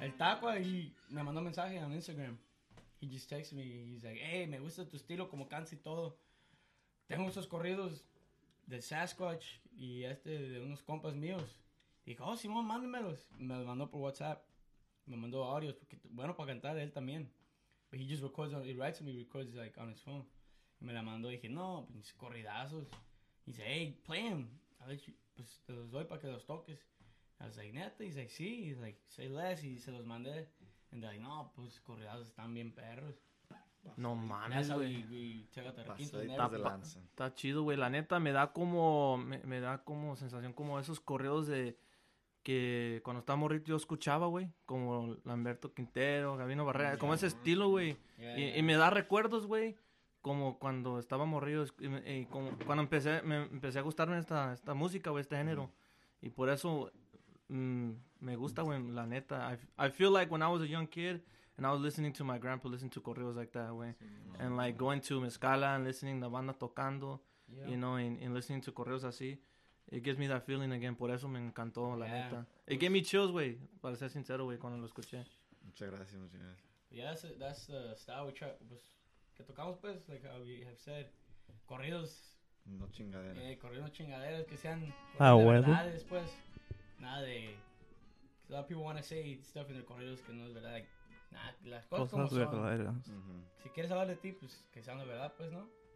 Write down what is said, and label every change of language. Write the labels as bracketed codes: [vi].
[es] El Taco ahí me mandó mensaje en Instagram. [en] He just texted me, he's like, hey, [es] me gusta tu estilo, como canta y todo. Tengo esos corridos de Sasquatch y este de unos compas míos. Dijo, oh, Simón, mándemelos. Me los mandó por WhatsApp, me mandó audios, porque bueno, para cantar él también. [en] But he just records on, he writes and he records like on his phone. [es] Y me la mandó y dije, no, mis corridazos. [en] He said, hey, play them. I let you, [es] pues te los doy para que los toques. [en] I was like, [es] neta. [en] He's like, [es] sí. [en] He's like, say less. [es] Y se los mandé. [en] And they're like, [es] no, pues corridas están bien perros. No mames, güey. Está chido, güey. La neta, me da como sensación como esos corridos de que cuando estaba morrito yo escuchaba, güey. Como Lamberto Quintero, Gabino Barrera, como ese estilo, güey. Y me da recuerdos, güey. Como cuando estaba morrido y como cuando empecé a gustarme esta música, güey, este género. Y por eso me gusta, güey, la neta. [en] I feel like when I was a young kid and I was listening to my grandpa listen to corridos like that, güey. Sí, and like going to Mezcala and listening to [es] la banda tocando, [en] yeah. You know, and listening to corridos así. It gives me that feeling again. [es] Por eso me encantó, la neta. [en] It gave me chills, [es] güey, para ser sincero, güey, cuando lo escuché. Muchas gracias. [en] Yeah, that's the style we try, [es] pues, que tocamos, pues, [en] like how we have said, corridos. [es] No chingaderas. Corridos no chingaderas, que sean verdades, pues. Nada de... [en] A lot of people want to say stuff in their corridos [es] que no es verdad. Like, nah, las cosas como son. Verdaderas. Mm-hmm. Si quieres hablar de ti, pues, que sean de verdad, pues, ¿no?